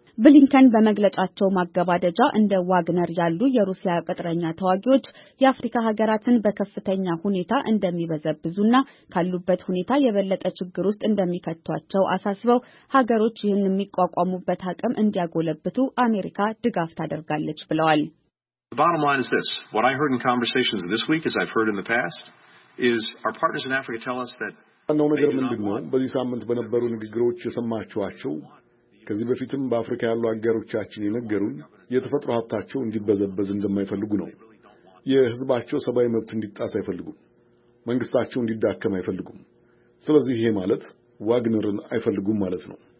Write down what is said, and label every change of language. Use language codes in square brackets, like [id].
[am] ብሊንከን በመግለጫቸው ማገባደጃ እንደ ዋግነር ያሉ የሩሲያ ቀጥረኛ ተዋጊዎች የአፍሪካ ሀገራትን በከፍተኛ ሁኔታ እንደሚበዘብዙና ካሉበት ሁኔታ የበለጠ ችግር ውስጥ እንደሚከቷቸው አሳስበው ሀገሮች ይህን የሚቋቋሙበት አቅም እንዲያጎለብቱ አሜሪካ ድጋፍ ታደርጋለች ብለዋል። [en] The bottom line is this. What I heard in conversations this week, as I've heard in the past, is our partners in Africa tell us that [am] አንዳንድ ነገር ምንድነው? በዚህ ሳምንት በነበሩ ንግግሮች የሰማችኋቸው ከዚህ በፊትም በአፍሪካ ያሉ አጋሮቻችን የነገሩን የተፈጥሮ ሀብታቸው እንዲበዘበዝ እንደማይፈልጉ ነው። የህዝባቸው ሰብአዊ መብት እንዲጣስ አይፈልጉም። መንግስታቸው እንዲዳከም አይፈልጉም። ስለዚህ ይሄ ማለት ዋግነርን አይፈልጉም ማለት ነው።